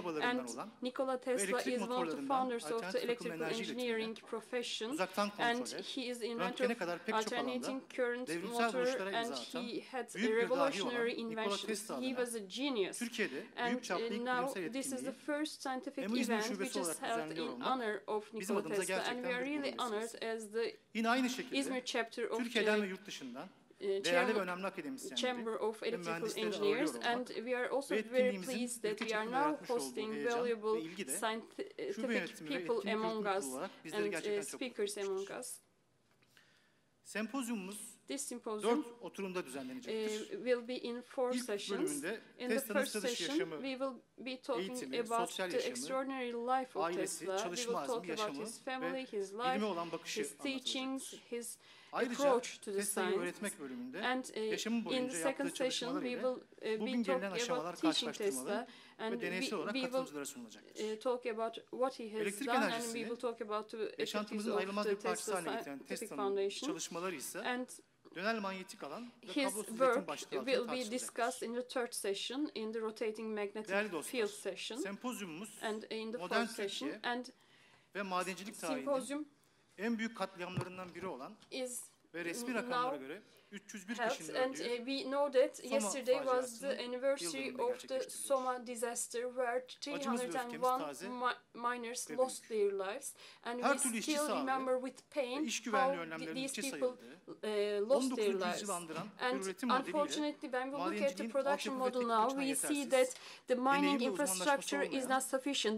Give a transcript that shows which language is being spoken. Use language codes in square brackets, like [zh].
[en] And Nikola Tesla is one of the founders of the electrical engineering profession, and he is the inventor of alternating current motor, and he had a revolutionary invention. He was a genius. And now this is the first scientific event which is held in honor of Nikola Tesla, and we are really honored as the İzmir Chapter of [tr] Türkiye'den ve yurt dışından değerli ve önemli akademisyenleri, [en] Chamber of Electrical Engineers, and we are also very pleased that we are now hosting valuable scientific people among us and speakers among us. [tr] Sempozyumumuz [en] this symposium [tr] oturumda düzenlenecektir. [en] Will be in four sessions. In the first session, we will be talking about the extraordinary life of Tesla. We will talk about his family, his life, his teachings, his approach to the science. And in the second session, we will be talking about teaching Tesla. And we will talk about what he has done, and we will talk about the activities of the Tesla Scientific Foundation. And [tr] dönel manyetik alan ve [en] his work will be discussed in the third session, in the rotating magnetic field session, and in the fourth session. And [tr] ve madencilik tarihinin en büyük katliamlarından biri olan ve resmi rakamlara göre 301 kişinin öldüğü [en] and we know that yesterday was the anniversary of the Soma disaster where 301 miners lost their lives, and we still remember with pain how these people lost their lives. And unfortunately, when we look at the production model now, we see that the mining infrastructure is not sufficient.